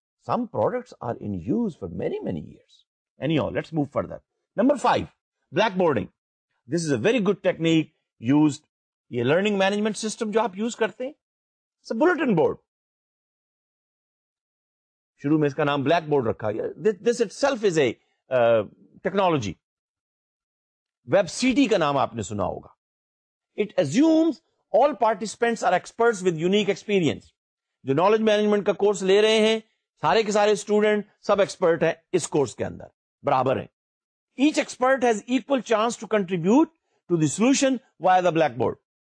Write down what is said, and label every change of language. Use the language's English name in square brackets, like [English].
[English] Some products are in use for many, many years. Anyhow, let's move further. Number 5, blackboarding. This is a very good technique used. [Urdu] Ye learning management system jo aap use karte, [English] it's a bulletin board. [Urdu] شروع میں اس کا نام black board رکھا. [English] This itself is a technology. [Urdu] Web C T کا نام آپ نے سنا ہوگا. [English] It assumes all participants are experts with unique experience. [Urdu] جو نالج مینجمنٹ کا کورس لے رہے ہیں سارے کے سارے اسٹوڈنٹ سب ایکسپرٹ ہیں اس کورس کے اندر, برابر ہیں. [English] Each expert has equal chance to contribute to the solution via the Blackboard.